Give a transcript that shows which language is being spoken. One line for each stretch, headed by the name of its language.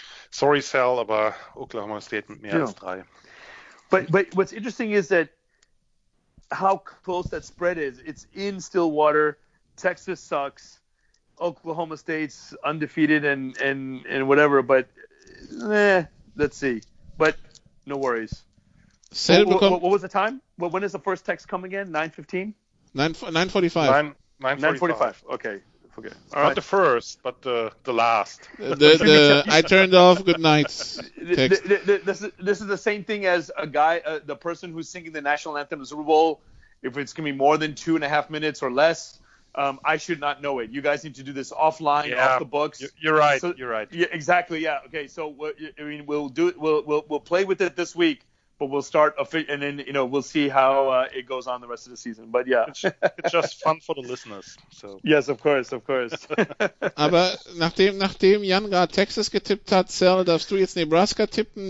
German: Sorry, Sal, aber Oklahoma State mit mehr als 3.
English: But what's interesting is that how close that spread is. It's in Stillwater. Texas sucks. Oklahoma State's undefeated and whatever, but let's see. But no worries. What was the time? When is the first text come again? 9:15? 9:45. 9:45. Okay. Okay. Right. Not the first, but the last. The I turned off good night text. This is the same thing as a guy, the person who's singing the national anthem in the Super Bowl. If it's going to be more than 2.5 minutes or less, I should not know it. You guys need to do this offline, off the books. You're right. Yeah, exactly. Yeah. Okay. So I mean, we'll do it. We'll play with it this week, but we'll start and then we'll see how it goes on the rest of the season. But yeah, it's just fun for the listeners. So yes, of course.
German: Aber nachdem Jan gerade Texas getippt hat, Sal, darfst du jetzt Nebraska tippen?